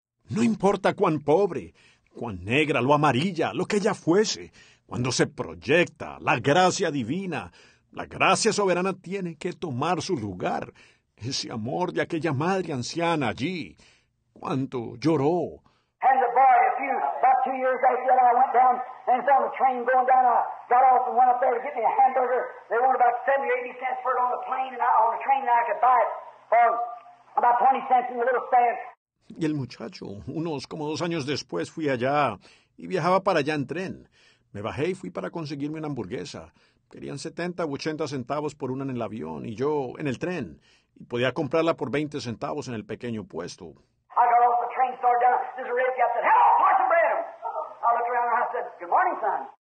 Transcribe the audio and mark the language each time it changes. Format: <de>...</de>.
<es>No importa cuán pobre, cuán negra, lo amarilla, lo que ella fuese, cuando se proyecta la gracia divina, la gracia soberana tiene que tomar su lugar. Ese amor de aquella madre anciana allí, cuánto lloró.</es> <en>And the boy, a few, about 2 years after that, I went down and was on the train going down. I got off and went up there to get me a hamburger. They wanted about 70 or 80 cents for it on the plane, and I, on the train, and I could buy it for about 20 cents in the little stand.</en> <es>Y el muchacho, unos como 2 años después, fui allá y viajaba para allá en tren. Me bajé y fui para conseguirme una hamburguesa. Querían 70 u 80 centavos por una en el avión y yo en el tren. Y podía comprarla por 20 centavos en el pequeño puesto.</es> <en>I got off the train, started down. This is a red cap. Hello, Parson Branham. I looked around and I said, good morning, son.</en>